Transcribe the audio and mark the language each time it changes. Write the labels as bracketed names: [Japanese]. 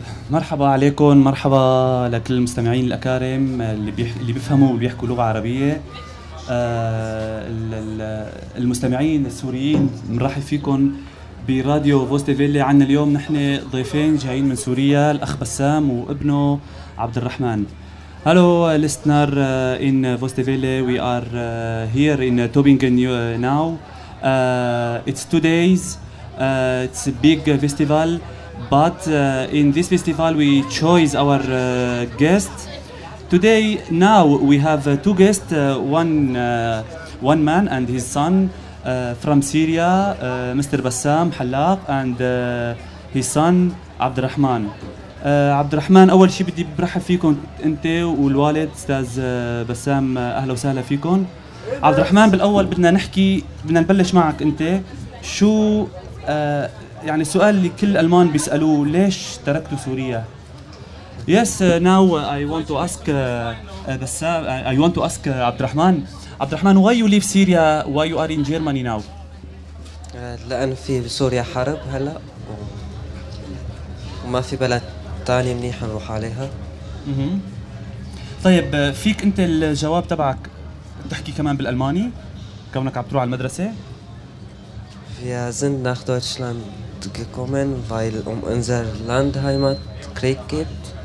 [Arabic] مرحبا عليكم مرحبا لكل المستمعين الأكارم اللي بيفهموا وبيحكوا لغة عربية المستمعين السوريين مرحب فيكم براديو فوستيفيلي عنا اليوم نحن ضيفين جايين من سوريا الأخ بسام وابنه عبد الرحمن [English] Hello listener in فوستيفيلي we are here in Tübingen now it's two days it's big festival But in this festival, we chose our guest. Today, now, we have two guests, one man and his son from Syria, Mr. Bassam Hallaq, and his son, Abdurrahman. [Arabic] Abdurrahman, أول شيء بدي برحب فيكم أنت والوالد أستاذ بسام أهلا وسهلا فيكم. Abdurrahman, بالأول بدنا نحكي, بدنا نبلش معك أنت. شو... يعني السؤال اللي كل ألمان بيسألوه ليش تركتوا سوريا؟ [English] Yes, now I want to ask Bassam, I want to ask Abdurrahman. Abdurrahman, why you leave Syria? Why you are in Germany now? [Arabic] لأن في سوريا حرب هلا وما في بلد تاني منيح نروح عليها. طيب فيك أنت الجواب تبعك تحكي كمان بالألماني كونك عم تروح على المدرسة؟ [German] Wir sind nach Deutschland gekommen, weil unser Landheimat Krieg gibt.